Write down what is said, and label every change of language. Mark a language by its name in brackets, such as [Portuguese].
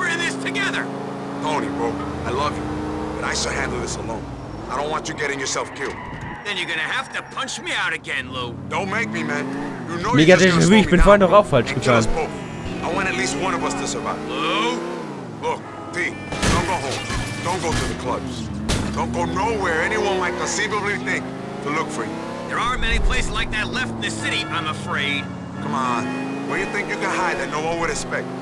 [English] Tony, bro, I love you, but I shall handle this alone. I don't want you getting yourself killed. Then you're gonna have to punch me out again, Lou. Don't make me, man. You know you're just gonna [German] ich bin vorhin doch auch falsch gefahren. [English] I want at least one of us to survive. Lou? Look, T, don't go home. Don't go to the clubs. Don't go nowhere anyone might conceivably think to look for you. There aren't many places like that left in the city, I'm afraid. Come on. Where you think you can hide that no one would expect?